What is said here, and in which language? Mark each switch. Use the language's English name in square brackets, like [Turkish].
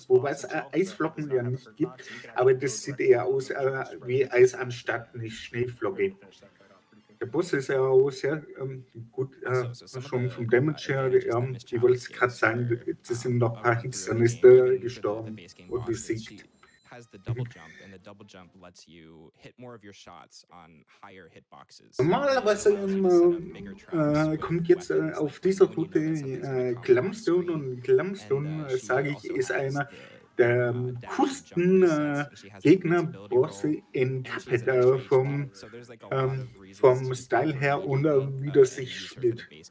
[German] Wobei es Eisflocken ja nicht gibt, aber das sieht eher aus wie Eis anstatt eine Schneeflocke. Der Boss ist ja auch sehr gut, schon vom Damage her. Ich wollte es gerade sagen, es sind noch ein paar Hits, dann ist er gestorben und besiegt. [English] Has the double jump, and the double jump lets you hit more of your shots on higher hitboxes. [German] Normalerweise kommt jetzt auf dieser Route Glamstone, und Glamstone, sage ich, ist einer der coolsten Gegnerbosse in Cuphead vom Style her und wie das sich spielt.